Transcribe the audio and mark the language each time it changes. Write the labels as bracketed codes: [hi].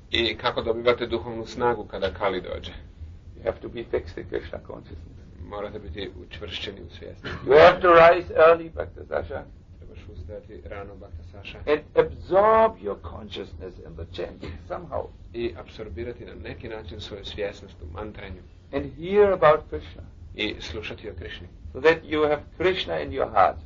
[hr] I kako dobivate duhovnu snagu kada Kali dođe? [en] You have to be fixed in Krishna consciousness. [hr] Morate biti učvršćeni u svijesti. [en] You have to rise early, Bhakta Sasha. [hr] Trebaš ustati rano, Bhakta Sasha. [en] And absorb your consciousness in the chanting somehow. [hr] I apsorbirati na neki način svoju svjesnost u mantranju. [en] And hear about Krishna. [hr] I slušati o Krishni. [en] So that you have Krishna in your heart.